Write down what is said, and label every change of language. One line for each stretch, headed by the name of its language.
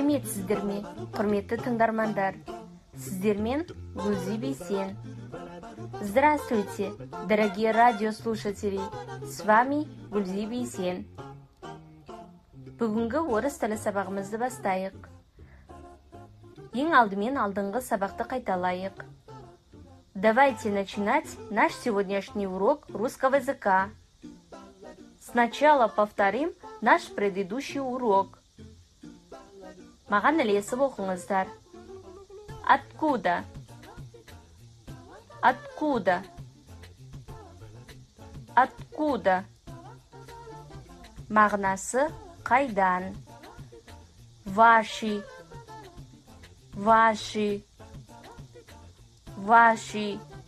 Kazakh: Сіздерме, құрметті тыңдармандар, сіздермен Гүлзі Бейсен.
Russian: Здравствуйте, дорогие радиослушатели, с вами Гүлзі Бейсен.
Kazakh: Бүгінгі орыс тілі сабағымызды бастайық. Ең алдымен алдыңғы сабақты қайталайық.
Russian: Давайте начинать наш сегодняшний урок русского языка. Сначала повторим наш предыдущий урок.
Kazakh: Маған ілесіп оқыңыздар.
Russian: Откуда? Откуда? Откуда?
Kazakh: Мағынасы қайдан?
Russian: Ваши. Ваши. Ваши.